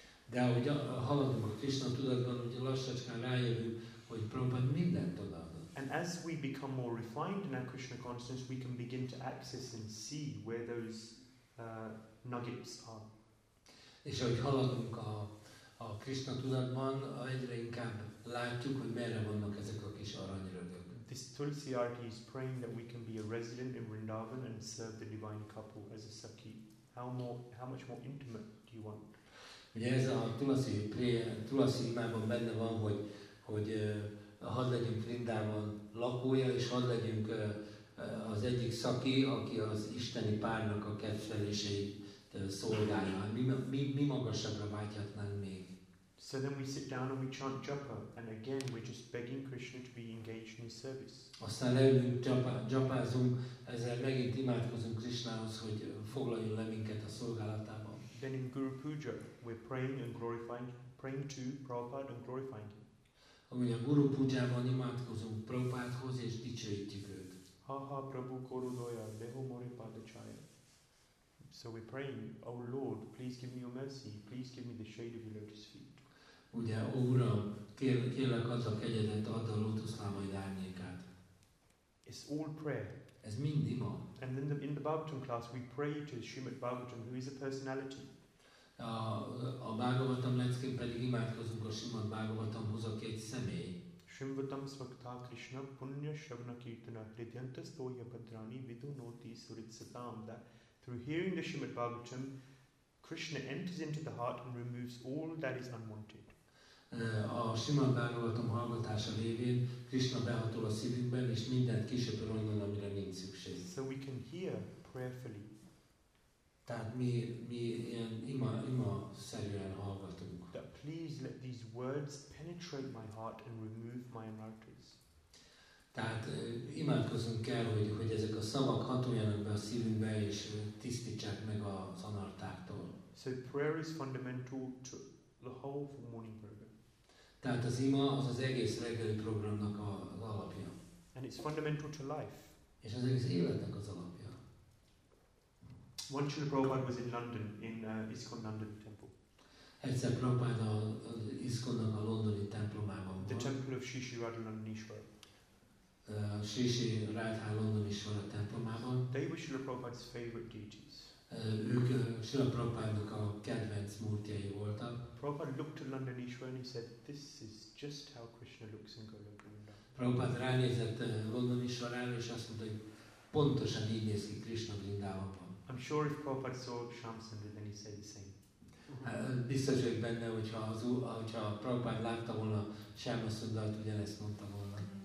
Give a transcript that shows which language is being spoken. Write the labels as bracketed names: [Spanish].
[Hungarian] De ahogy haladunk a Krishna tudatban, ugye lassacskán rájövünk, hogy Prabhupada mindent odaadott. [English] And as we become more refined in our Krishna consciousness, we can begin to access and see where those nuggets are. [Hungarian] És ahogy haladunk a Krishna tudatban, egyre inkább látjuk, hogy merre vannak ezek a kis aranyrögök. [English] This Tulsi Arti is praying that we can be a resident in Vrindavan and serve the divine couple as a sakhi. How much more intimate do you want? [Hungarian] Ugye ez a Tulsi imában benne van, hogy hadd legyünk Vrindavan lakója, és hadd legyünk az egyik sakhi, aki az isteni párnak a kedveléseit szolgálja. Mi magasabbra vágyhatnánk még. [English] So then we sit down and we chant japa, and again we're just begging Krishna to be engaged in his service. [Hungarian] Aztán leülünk, japázunk, ezzel megint imádkozunk Krishnához, hogy foglaljon le minket a szolgálatába. [English] Then in Guru Puja, we're praying and glorifying, praying to Prabhupada and glorifying him. [Hungarian] Amúgy a Guru Pujában imádkozunk Prabhupádhoz és dicsőítjük őt. [Bangla] Haha, Prabhu Korudoya, Deho Mori Padachaya. [English] So we're praying, O Lord, please give me your mercy, please give me the shade of your lotus feet. [Hungarian] Ugye, ó Uram, kérlek add a kegyedet, add a lótuszlábaid árnyékát. [English] It's all prayer. [Hungarian] Ez mind ima. [English] And then in the Bhagavatam class, we pray to Srimad Bhagavatam, who is a personality. [Hungarian] A Bhagavatam leckén pedig imádkozunk a Srimad Bhagavatamhoz, aki egy személy. [Sanskrit] Srimvatam svaktá Krishna punya shavna kirtana hridyanta stoya padrani vidu noti suritsatam. [English] Through hearing the Srimad Bhagavatam, Krishna enters into the heart and removes all that is unwanted. [Hungarian] A Srimad Bhagavatam hallgatása révén Krishna behatol a szívünkben, és mindent kisöpör onnan, amire nincs szükség. [English] So we can hear prayerfully. [Hungarian] Tehát mi ilyen ima szerűen hallgatunk. [English] That please let these words penetrate my heart and remove my anartis. [Hungarian] Tehát imádkozunk kell, hogy ezek a szavak hatoljanak be a szívünkbe és tisztítsák meg az anartáktól. [English] So prayer is fundamental to the whole for morning program. [Hungarian] Tehát az ima az egész reggeli programnak az alapja. [English] And it's fundamental to life. [Hungarian] És az egész életnek az alapja. [English] One Srila Prabhupada was in London, in ISKCON London temple. [Hungarian] Egyszer Prabhupada az ISKCON-nak a londoni templomában volt. [English] The temple of Sri Sri Radha Nandanishwar. [Hungarian] Sri Sri Radha Nandanishwar templomában. [English] They were Srila Prabhupada's favorite deities. [Hungarian] Ők Srila Prabhupada-nak a kedvenc múrtjai voltak. [English] Prabhupada looked at Nandanishwar and he said, this is just how Krishna looks in Goloka Vrindavan. [Hungarian] Prabhupada ránézett Nandanishwarára és azt mondta, hogy pontosan így néz ki Krishna Vrindavanban. [English] I'm sure if Prabhupada saw Shamsundar, then he said the same. [Hungarian] Biztos vagyok benne, hogyha Prabhupada látta volna Shamsundart, ugyanezt mondta volna.